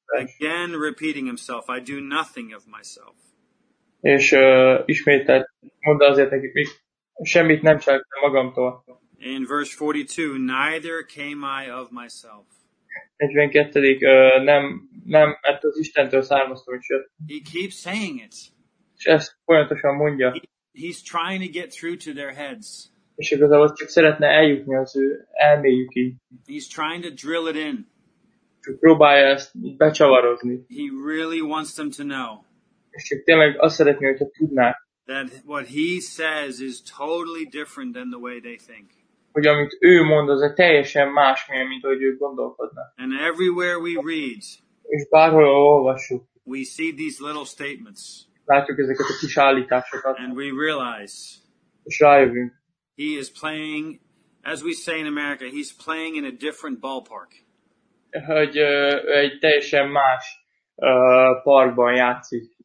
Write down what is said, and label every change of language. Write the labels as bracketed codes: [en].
[en] Again repeating himself, I do nothing of myself. [hu] És ismételt, mondta azért nekik, még semmit nem cselekszem magamtól. [en] In verse 42, neither came I of myself. [hu] 42. Nem ettől az Istentől származtam, és jött. [en] He keeps saying it. [hu] És ezt folyamatosan mondja. [en] He's trying to get through to their heads. [hu] És igazából csak szeretne eljutni az ő elméjükig. [en] He's trying to drill it in. [hu] Csak próbálja ezt becsavarozni. [en] He really wants them to know. [hu] És csak tényleg azt szeretné, hogyha tudnák. [en] That what he says is totally different than the way they think. [hu] Hogy amit ő mond, az egy teljesen más, mint ahogy ők gondolkodnak. [en] And everywhere we read, [hu] és bárhol olvassuk, [en] we see these little statements. [hu] Látjuk ezeket a kis állításokat. [en] And we realize, [hu] és rájövünk. [en] He is playing, as we say in America, he's playing in a different ballpark. [hu] Hogy egy teljesen más parkban játszik.